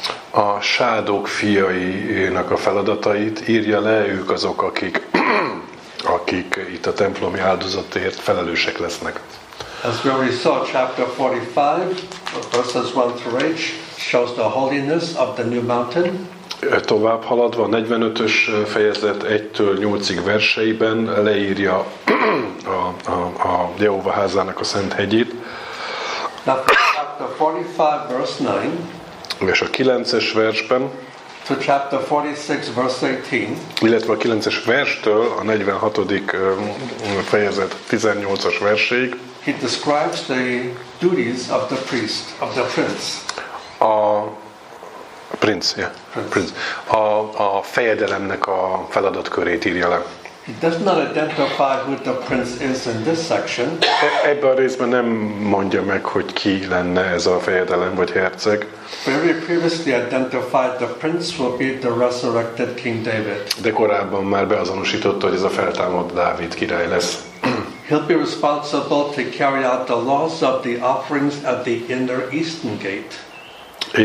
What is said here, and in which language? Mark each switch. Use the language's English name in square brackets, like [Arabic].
[Hungarian] A Sádok fiainak a feladatait írja le, ők azok, akik itt a templomi áldozatért felelősek lesznek. [English] As we already saw, chapter 45, verses 1 through 8, shows the holiness of the new mountain. [Hungarian] Tovább haladva, 45-ös fejezet 1-től 8-ig verseiben leírja a Jehova házának a szent hegyét. [English] Chapter 45, verse 9. [Hungarian] És a 9-es versben. [English] To chapter 46, verse 18. [Hungarian] Illetve a 9-es verstől a 46. fejezet 18-as verséig. [English] He describes the duties of the priest, of the prince. Prince. [Hungarian] A fejedelemnek a feladatkörét írja le. [English] He does not identify who the prince is in this section. [Hungarian] Ebben a részben nem mondja meg, hogy ki lenne ez a fejedelem vagy herceg. [English] Very previously identified the prince will be the resurrected King David. [Hungarian] De korábban már beazonosította, hogy ez a feltámadt Dávid király lesz. [English] He'll be responsible to carry out the laws of the offerings at the inner eastern gate.